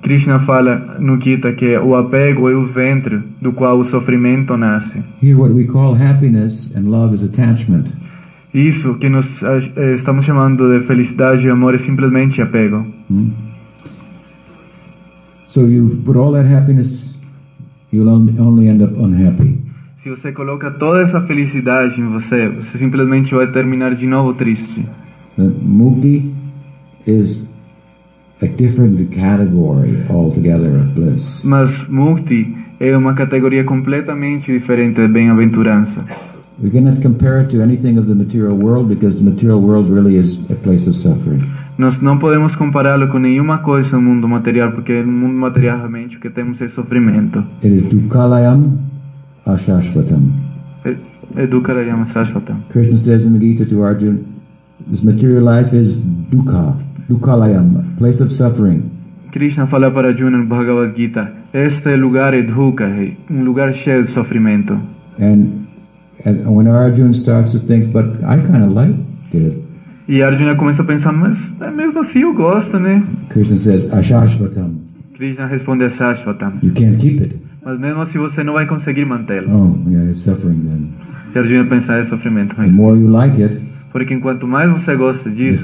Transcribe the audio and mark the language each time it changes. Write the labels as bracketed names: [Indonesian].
[Portuguese] Krishna fala no Gita que o apego é o ventre do qual o sofrimento nasce. [English] Here, what we call happiness and love is attachment. [Portuguese] Isso que nós estamos chamando de felicidade e amor é simplesmente apego. [English] So you put all that happiness. You'll only end up unhappy. [Portuguese] Se você coloca toda essa felicidade em você, você simplesmente vai terminar de novo triste. [English] Mukti is a different category altogether of bliss. [Portuguese] Mas mukti é uma categoria completamente diferente de bem-aventurança. [English] We cannot compare it to anything of the material world because the material world really is a place of suffering. [Portuguese] Nós não podemos compará-lo com nenhuma coisa no mundo material, porque no mundo material realmente o que temos é sofrimento. [English] It is dukkhalayam ashashvatam. [Sanskrit] Dukkhalayam ashashvatam. [English] Krishna says in the Gita to Arjuna, this material life is dukkha, dukkhalayam, place of suffering. [Portuguese] Krishna fala para Arjuna no Bhagavad Gita, este lugar é dukkha, um lugar cheio de sofrimento. [English] And when Arjuna starts to think, but I kind of like it. [Portuguese] E Arjuna começa a pensar, mas é mesmo assim eu gosto, né? [English] Krishna says, ashashvatam. [Portuguese] Krishna responde, ashashvatam. [English] You can't keep it. [Portuguese] Mas mesmo assim você não vai conseguir mantê-lo. [English] Oh, yeah, it's suffering then. [Portuguese] E Arjuna pensa, é sofrimento. [English] The more you like it, [Portuguese] porque enquanto mais você gosta disso,